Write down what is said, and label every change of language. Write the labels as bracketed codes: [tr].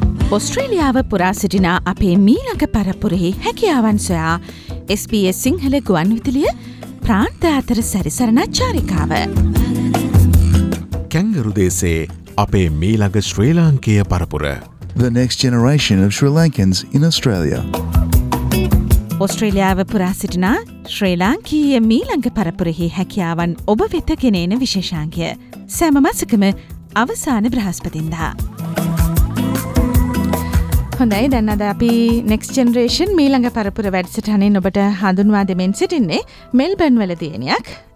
[si] ඔස්ට්‍රේලියාව පුරා සිටින අපේ මීළඟ පරපුරෙහි හැකියාවන් සොයා SBS සිංහල ගුවන්විදුලිය ප්‍රාන්ත අතර සැරිසරන චාරිකාව. කැංගරු දේශයේ අපේ මීළඟ ශ්‍රී ලාංකේය පරපුර. [en] The next generation of Sri Lankans in Australia. [si] ඔස්ට්‍රේලියාව පුරා සිටින ශ්‍රී ලාංකීය මීළඟ පරපුරෙහි හැකියාවන් ඔබ වෙත ගෙන එන විශේෂාංගය. සෑම මාසිකම අවසාන බ්‍රහස්පතින්දා. හොඳයි, දැන් අද අපි නෙක්ස්ට් ජෙනරේෂන් මීළඟ පරපුර වැඩසටහනින් ඔබට හඳුන්වා දෙමින් සිටින්නේ මෙල්බන් වල දියණියක්.